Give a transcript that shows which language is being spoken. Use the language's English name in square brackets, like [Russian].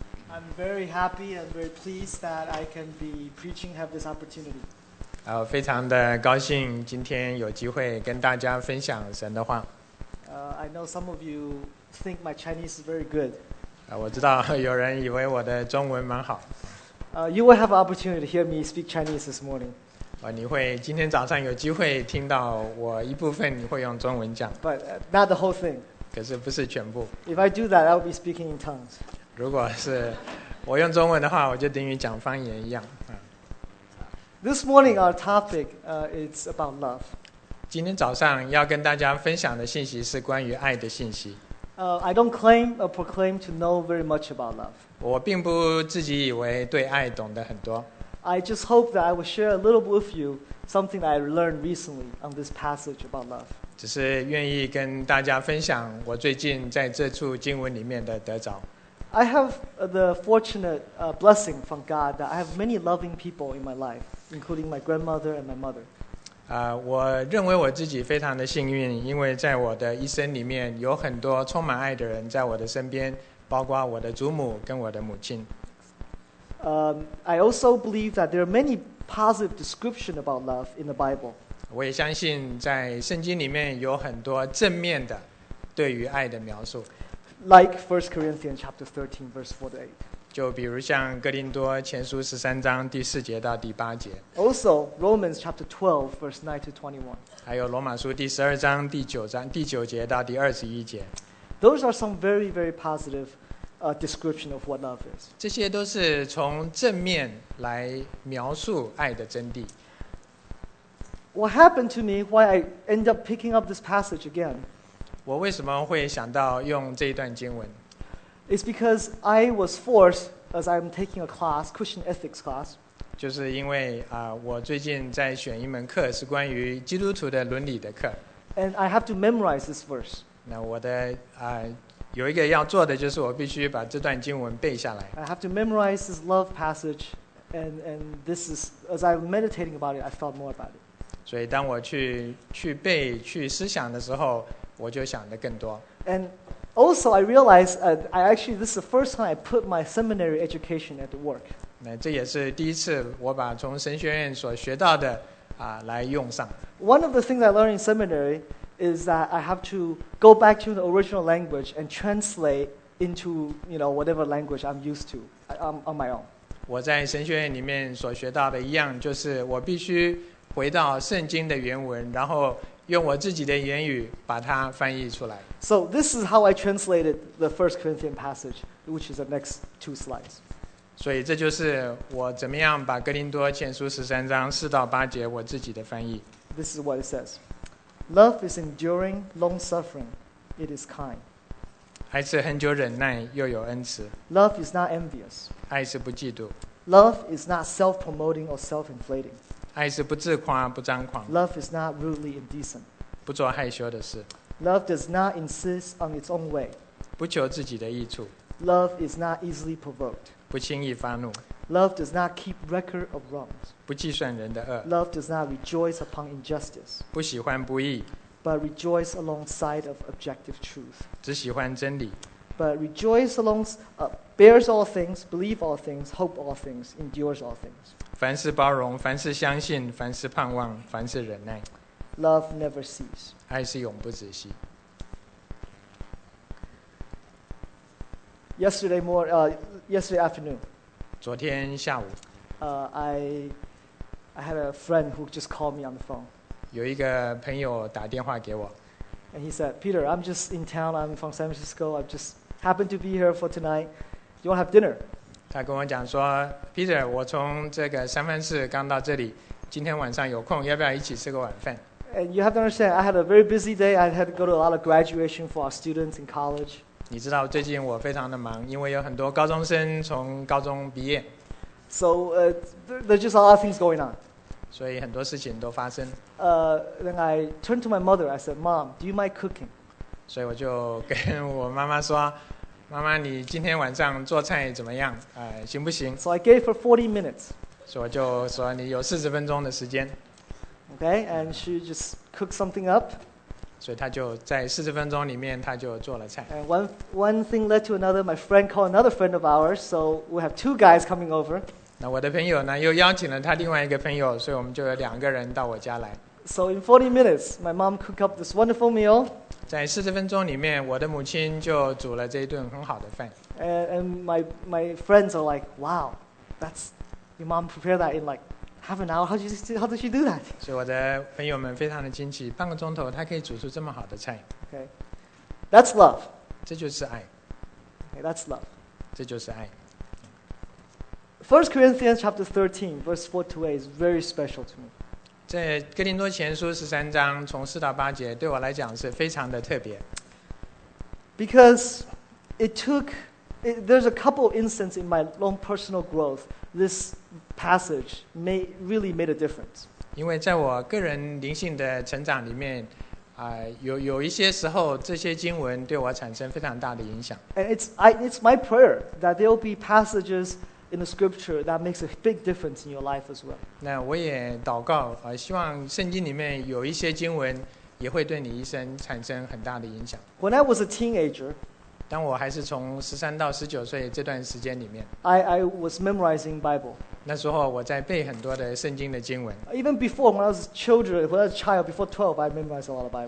[English] I'm very happy and very pleased that I can be preaching, have this opportunity. [Chinese] 非常的高兴今天有机会跟大家分享神的话。 [English] I know some of you think my Chinese is very good. [Chinese] 我知道有人以为我的中文蛮好。 [English] You will have an opportunity to hear me speak Chinese this morning. [Chinese] 你会今天早上有机会听到我一部分你会用中文讲。 [English] But not the whole thing. [Chinese] 可是不是全部。 [English] If I do that, I will be speaking in tongues. [Chinese] 如果是我用中文的话，我就等于讲方言一样。 [English] This morning our topic is about love. [Chinese] 今天早上要跟大家分享的信息是关于爱的信息。 [English] I don't claim or proclaim to know very much about love. [Chinese] 我并不自己以为对爱懂得很多。 [English] I just hope that I will share a little bit with you something that I learned recently on this passage about love. [Chinese] 只是愿意跟大家分享我最近在这处经文里面的得着。 [English] I have the fortunate blessing from God that I have many loving people in my life, including my grandmother and my mother. [Chinese] 我认为我自己非常的幸运，因为在我的一生里面有很多充满爱的人在我的身边，包括我的祖母跟我的母亲。 [English] I also believe that there are many positive descriptions about love in the Bible. [Chinese] 我也相信在圣经里面有很多正面的对于爱的描述。 [English] Like 1 Corinthians chapter 13, verse 4 to 8. [Chinese] 就比如像哥林多前书十三章第四节到第八节。 [English] Also Romans chapter 12, verse 9 to 21. [Chinese] 还有罗马书第十二章第九章第九节到第二十一节。 [English] Those are some very, very positive description of what love is. [Chinese] 这些都是从正面来描述爱的真谛。 [English] What happened to me? Why I end up picking up this passage again? [Chinese] 我为什么会想到用这一段经文 [English] ？It's because I was forced as I'm taking a class, Christian ethics class. [Chinese] 就是因为我最近在选一门课是关于基督徒的伦理的课。 [English] And I have to memorize this verse. [Chinese] 那我的有一个要做的就是我必须把这段经文背下来。 [English] I have to memorize this love passage, and this is as I'm meditating about it, I thought more about it. [Chinese] 所以当我去背去思想的时候。我就想得更多。 [English] And also, I realized this is the first time I put my seminary education at work. [Chinese] 那这也是第一次我把从神学院所学到的来用上。 [English] One of the things I learned in seminary is that I have to go back to the original language and translate into whatever language I'm used to on my own. [Chinese] 我在神学院里面所学到的一样，就是我必须回到圣经的原文，然后。用我自己的言语把它翻译出来。 [English] So this is how I translated the First Corinthians passage, which is the next two slides. [Chinese] 所以这就是我怎么样把哥林多前书十三章四到八节我自己的翻译。 [English] This is what it says: Love is enduring, long-suffering; it is kind. [Chinese] 爱是恒久忍耐，又有恩慈。 [English] Love is not envious. [Chinese] 爱是不嫉妒。 [English] Love is not self-promoting or self-inflating. [Chinese] 爱是不自夸不张狂。 [English] Love is not rudely indecent. [Chinese] 不做害羞的事。 [English] Love does not insist on its own way. [Chinese] 不求自己的益处。 [English] Love is not easily provoked. [Chinese] 不轻易发怒。 [English] Love does not keep record of wrongs. [Chinese] 不计算人的恶。 [English] Love does not rejoice upon injustice. [Chinese] 不喜欢不义。 [English] But rejoice alongside of objective truth. [Chinese] 只喜欢真理。 [English] But rejoice bears all things, believe all things, hope all things, endures all things. [Chinese] 凡事包容，凡事相信，凡事盼望，凡事忍耐。 [English] Love never ceases. [Chinese] 爱是永不止息。 [English] Yesterday afternoon. [Chinese] 昨天下午。 [English] I had a friend who just called me on the phone. [Chinese] 有一个朋友打电话给我。 [English] And he said, Peter, I'm just in town. I'm from San Francisco. I just happened to be here for tonight. You want to have dinner? [Chinese] 他跟我讲说 ，Peter， 我从这个三藩市刚到这里，今天晚上有空，要不要一起吃个晚饭 [English] ？And you have to understand, I had a very busy day. I had to go to a lot of graduation for our students in college. [Chinese] 你知道最近我非常的忙，因为有很多高中生从高中毕业。 [English] So there's just a lot of things going on. [Chinese] 所以很多事情都发生。 [English] Then I turned to my mother. I said, "Mom, do you mind cooking?" [Chinese] 所以我就跟我妈妈说。妈妈，你今天晚上做菜怎么样？行不行 [English] ？So I gave her 40 minutes. [Chinese] 所以我就说你有40分钟的时间。 [English] Okay, and she just cooked something up. [Chinese] 所以她就在40分钟里面，她就做了菜。 [English] And one thing led to another. My friend called another friend of ours, so we have two guys coming over. [Chinese] 那我的朋友呢，又邀请了他另外一个朋友，所以我们就有两个人到我家来。 [English] So in 40 minutes, my mom cooked up this wonderful meal. [Chinese] 在40分钟里面，我的母亲就煮了这一顿很好的饭。 [English] And my friends are like, wow, that's your mom prepared that in like half an hour. How did she do that? [Chinese] 所以我的朋友们非常的惊奇，半个钟头她可以煮出这么好的菜。 [English] Okay, that's love. [Chinese] 这就是爱。 [English] Okay, that's love. [Chinese] 这就是爱。 [English] First Corinthians chapter 13, verse 4-8 is very special to me. [Chinese] 在哥林多前书十三章从四到八节对我来讲是非常的特别。 [English] Because there's a couple of instances in my own personal growth, this passage really made a difference. [Chinese] 因为在我个人灵性的成长里面，有一些时候这些经文对我产生非常大的影响。 [English] And it's my prayer that there will be passages. In the scripture that makes a big difference in your life as well. [Chinese] 那我也祷告，希望圣经里面有一些经文也会对你一生产生很大的影响。 [English] When I was a teenager, [Chinese] 当我还是从十三到十九岁这段时间里面 [English] ，I was memorizing Bible. [Chinese] 那时候我在背很多的圣经的经文。 [English] Even before when I was children, when I was a child, before 12, I memorized a lot of Bible.